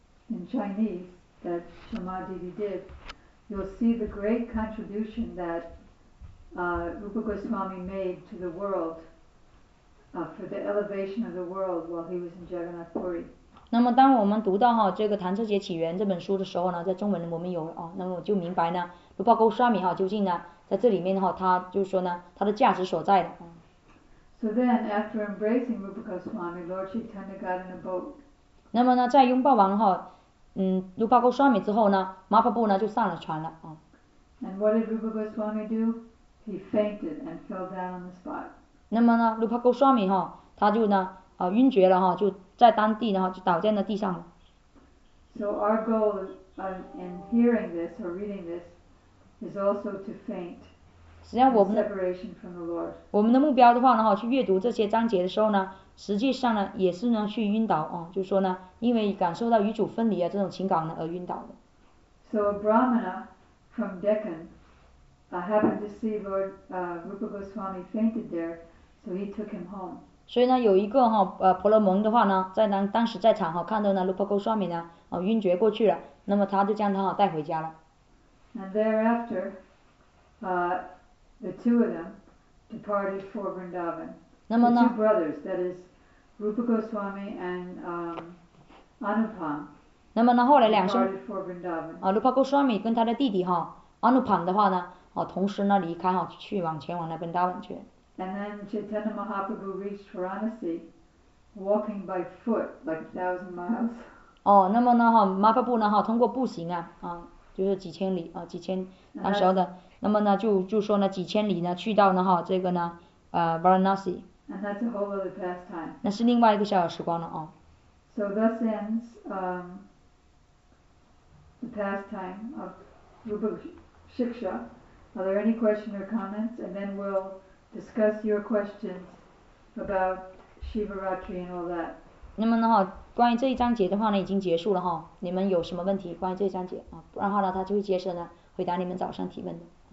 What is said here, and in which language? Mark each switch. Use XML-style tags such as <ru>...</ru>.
<en>In Chinese that Shama Devi did, you'll see the great contribution that Rupa Goswami made to the world for the elevation of the world while he was in Jagannath Puri.</en> <zh>那么当我们读到哈这个《唐诗节起源》这本书的时候呢，在中文我们有啊，那么我就明白呢，卢巴沟沙米哈究竟呢在这里面哈，他就是说呢，他的价值所在的。</zh> <en>So then, after embracing Rupa Goswami, Lord Chaitanya got in a boat.</en> <zh>那么呢，在拥抱完哈，卢巴沟沙米之后呢，马帕布呢就上了船了啊。</zh> <en>And what did Rupa Goswami do? He fainted and fell down on the spot.</en> <zh>那么呢，卢巴沟沙米哈，他就呢晕厥了哈，就在当地呢就倒在那地上了。</zh> <en>So our goal in hearing this or reading this is also to faint.</en> <zh>实际上我们</zh> <en>separation from the Lord.</en> <zh>我们的目标的话呢哈，去阅读这些章节的时候呢。实际上呢，也是呢去晕倒啊，就是说呢，因为感受到与主分离啊这种情感呢而晕倒的。</zh> <en>So a Brahmana from Deccan, happened to see Lord Rupa Goswami fainted there, so he took him home.</en> <zh>所以呢，有一个哈婆罗门的话呢，在当时在场哈，看到呢 Rupa Goswami 呢晕厥过去了，那么他就将他带回家了。</zh> <en>And thereafter, the two of them departed for Vrindavan.</en> <zh>那么呢</zh> <en>the two brothers, that is Rupa Goswami and Anupam.</en> <zh>那么呢，后来两兄</zh> <en>for Vrindavan.</en> <zh>啊 ，Rupa Goswami 跟他的弟弟哈 ，Anupam 的话呢，啊，同时呢离开哈，去往前往那边 Vrindavan 去。</zh> <en>And then Chaitanya Mahaprabhu reached Varanasi, walking by foot like 1,000 miles.</en> <zh>哦，那么呢哈，马帕布呢哈，通过步行啊，啊，就是几千里啊，几千当时的，</zh> <en>that,</en> <zh>那么呢就说呢几千里呢去到呢哈这个呢。</zh> <en>Varanasi. And that's a whole other pastime.</en> <zh>那是另外一个小时光了啊。</zh> <en>So thus ends the pastime of Rupa Shiksha. Are there any questions or comments? And then we'll discuss your questions about Shivaratri and all that.</en> <zh>那么呢哈，关于这一章节的话呢，已经结束了哈。你们有什么问题关于这一章节啊？不然的话呢，他就会接着呢回答你们早上提问的。</zh>